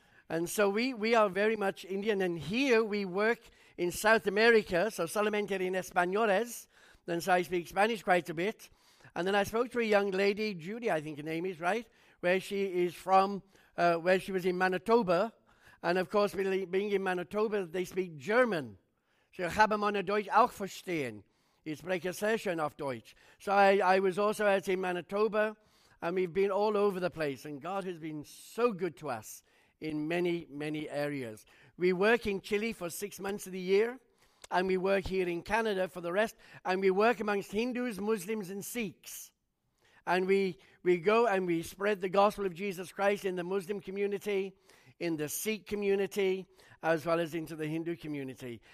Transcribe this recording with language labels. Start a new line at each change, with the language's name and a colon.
English: And so we are very much Indian. And here we work in South America, so
Spanish: solamente en españoles.
English: Then so I speak Spanish quite a bit. And then I spoke to a young lady, Judy, I think her name is, right? Where she is from, where she was in Manitoba. And of course, being in Manitoba, they speak German.
German: So ich habe meine Deutsch auch verstehen. Ich spreche sehr schön auf Deutsch.
English: So I was also out in Manitoba, and we've been all over the place. And God has been so good to us in many, many areas. We work in Chile for 6 months of the year, and we work here in Canada for the rest. And we work amongst Hindus, Muslims, and Sikhs. And we go and we spread the gospel of Jesus Christ in the Muslim community, in the Sikh community, as well as into the Hindu community.